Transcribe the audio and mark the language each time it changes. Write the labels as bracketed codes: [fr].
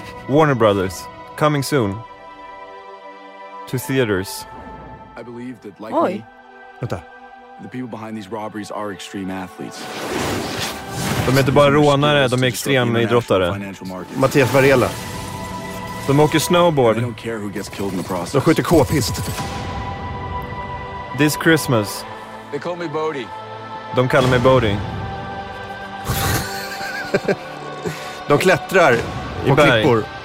[en] Warner Brothers, coming soon to theaters. I believe that likely. Oj. [sv] Vänta. [en] The people behind these robberies are extreme athletes. [sv] De är inte bara rånare, de är extrema idrottare. Mattias Varela. De åker snowboard. [en] They don't care who gets killed in the process. [sv] De skjuter k-pist. [en] This Christmas. They call me Bodie. [sv] De kallar mig Bodie. De klättrar i klippor.